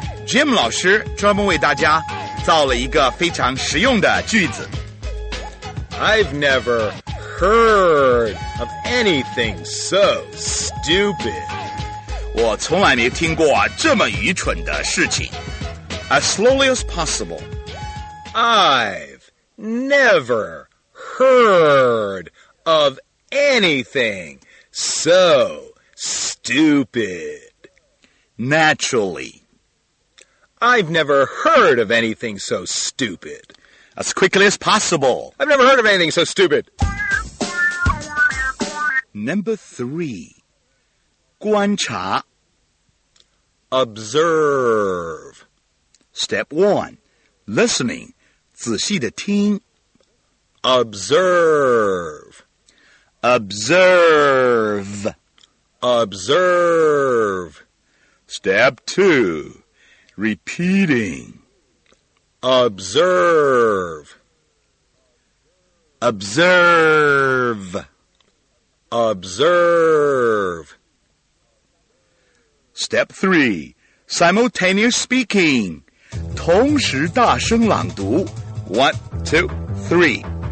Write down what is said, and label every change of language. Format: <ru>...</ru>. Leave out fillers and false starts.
<zh>Jim 老师专门为大家造了一个非常实用的句子。</zh> <en>I've never heard of anything so stupid.</en> <zh>我从来没听过这么愚蠢的事情。</zh> <en>As slowly as possible. I've never heard of anything so stupid. Naturally. I've never heard of anything so stupid. As quickly as possible. I've never heard of anything so stupid. Number 3.</en> <zh>观察</zh> <en>Observe. Step 1. Listening.</en> <zh>仔细地听</zh> <en>Observe. Observe. Observe. Step 2. Repeating. Observe. Observe. Observe. Step 3. Simultaneous speaking.</en> <zh>同时大声朗读</zh> <en>One, two, three.</en>